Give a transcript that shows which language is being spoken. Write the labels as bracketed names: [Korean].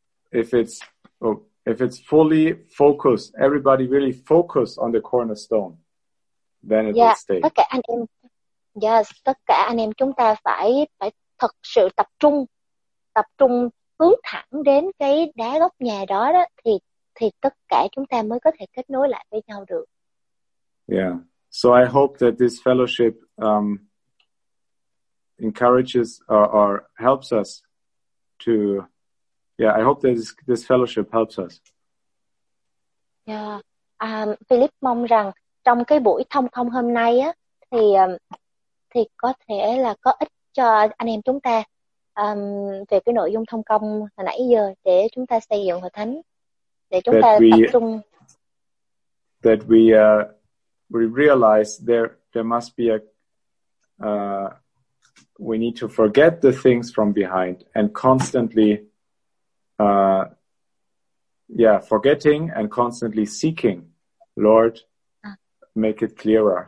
[English] If it's fully focused, everybody really focus on the cornerstone, then it will stay. [Vietnamese] Tất cả anh em chúng ta phải thật sự tập trung hướng thẳng đến cái đá gốc nhà đó thì tất cả chúng ta mới có thể kết nối lại với nhau được. [English] Yeah. So I hope that this fellowship encourages or helps us to. Yeah, I hope this fellowship helps us. [Vietnamese] Philip mong rằng trong cái buổi thông hôm nay á thì thì có thể là có ích cho anh em chúng ta về cái nội dung thông công hồi nãy giờ để chúng ta xây dựng hội thánh, để chúng ta tập trung. [English] That we realize there must be a we need to forget the things from behind and constantly forgetting and constantly seeking, Lord, make it clearer.